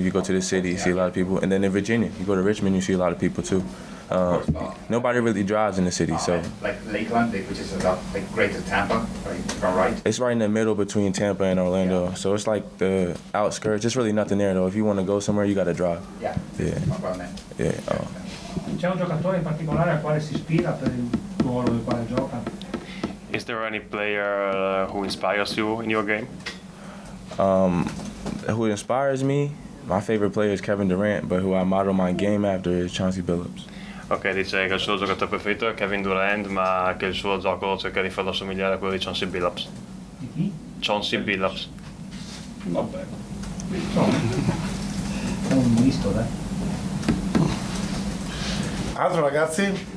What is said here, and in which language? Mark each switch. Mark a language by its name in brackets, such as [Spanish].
[English] You go to the city, you see a lot of people. And then in Virginia, you go to Richmond, you see a lot of people too. Nobody really drives in the city, so. Like Lakeland, which is about greater Tampa, right? It's right in the middle between Tampa and Orlando. Yeah. So it's like the outskirts. There's really nothing there, though. If you want to go somewhere, you got to drive. Yeah. Yeah. [Italian] C'è un giocatore in particolare al quale si ispira per il ruolo nel quale gioca? [English] Is there any player who inspires you in your game? Who inspires me? My favorite player is Kevin Durant, but who I model my game after is Chauncey Billups. [Italian] Ok, dice che il suo giocatore preferito è Kevin Durant, ma che il suo gioco cerca di farlo assomigliare a quello di Chauncey Billups. Di chi? Chauncey Billups. Vabbè. È un misto, eh? Altro ragazzi?